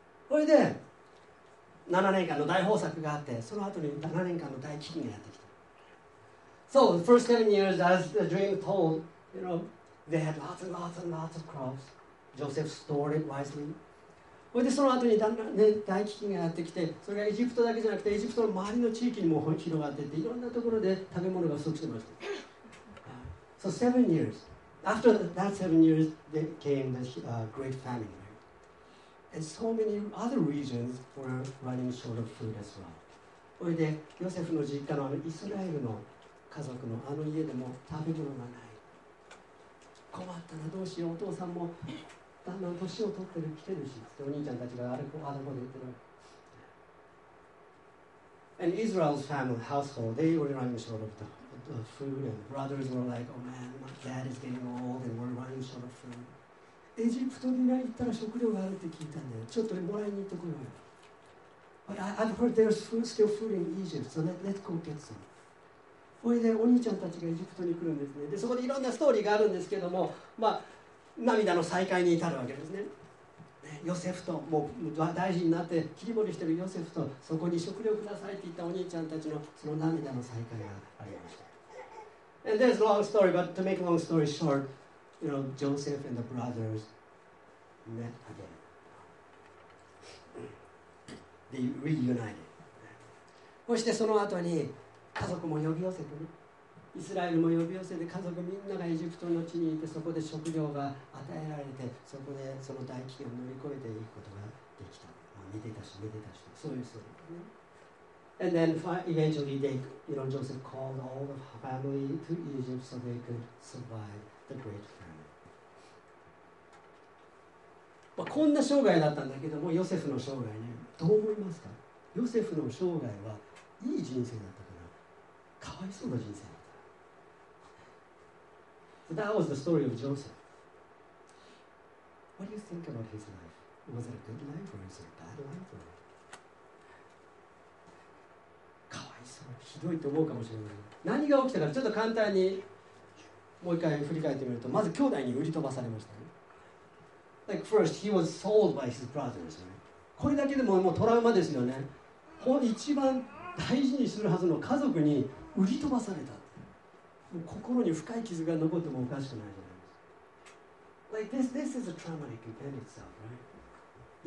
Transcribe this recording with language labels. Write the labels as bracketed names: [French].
[Japanese] それで7年間の大豊作があって、その後に7年間の大飢饉がやってきた。 [English] So the first 7 years, as the dream told, you know, they had lots and lots and lots of crops. Joseph stored it wisely. [Japanese] それでその後に大飢饉がやってきて、それがエジプトだけじゃなくて、エジプトの周りの地域にも広がっていって、いろんなところで食べ物が不足してました。 [English] So 7 years. After that 7 years, there came the great famine. And so many other regions were running short of food as well. [Japanese] それでヨセフの実家のイスラエルの家族のあの家でも食べ物がない。困ったらどうしよう。お父さんもだんだん年を取ってる、来てるし。お兄ちゃんたちがあれこあれこで言ってる。 [English] And Israel's family household, they were running short of the food. And brothers were like, "Oh man, my dad is getting old, and we're running short of food." [Japanese] エジプトに行ったら食料があるって聞いたんだよ。ちょっともらいに行ってこようよ。 [English] But I've heard there's food, still food in Egypt, so let's go get some. [Japanese] それでお兄ちゃんたちがエジプトに来るんですね。で、そこでいろんなストーリーがあるんですけども、まあ、涙の再会に至るわけですね。ヨセフと、もう大臣になって切り盛りしてるヨセフと、そこに食料くださいって言ったお兄ちゃんたちのその涙の再会がありました。 [English] And there's a long story, but to make a long story short,You know, Joseph and the brothers met again. They reunited. [Japanese] そしてその後に家族も呼び寄せてね。イスラエルも呼び寄せて、家族みんながエジプトの地にいて、そこで食料が与えられて、そこでその大飢饉を乗り越えていくことができた。まあ、めでたしめでたし、そういうストーリーね。 [English] And then eventually they, you know, Joseph called all of her family to Egypt so they could survive. Great [Japanese] まあ、こんな生涯だったんだけども、ヨセフの生涯ね、どう思いますか？ヨセフの生涯はいい人生だったかな？かわいそうな人生だった。 [English] So、that was the story of Joseph. What do you think about his life? Was it a good life or is it a bad life? Or... [Japanese] かわいそう、ひどいと思うかもしれない。何が起きたか、ちょっと簡単に。もう一回振り返ってみると、まず兄弟に売り飛ばされましたね。 [English] Like first, he was sold by his brothers. [Japanese] これだけでももうトラウマですよね。一番大事にするはずの家族に売り飛ばされた。もう心に深い傷が残ってもおかしくないじゃないですか。 [English] Like this is a traumatic event itself, right?